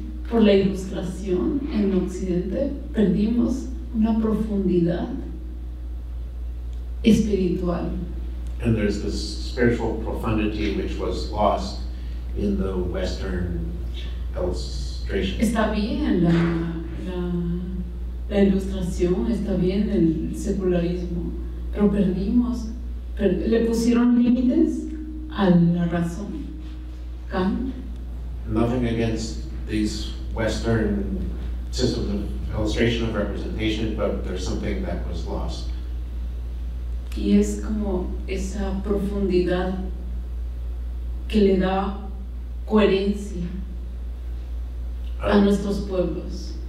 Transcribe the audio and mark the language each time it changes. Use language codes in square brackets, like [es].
[es] Por la ilustración en Occidente, perdimos una profundidad espiritual. [en] And there's this spiritual profundity which was lost in the Western illustration. [es] Está bien la ilustración, está bien el secularismo, pero perdimos, le pusieron límites a la razón. Kant. [en] Nothing against these Western systems of illustration of representation, but there's something that was lost. [es] Y es como esa profundidad que le da coherencia a nuestros pueblos.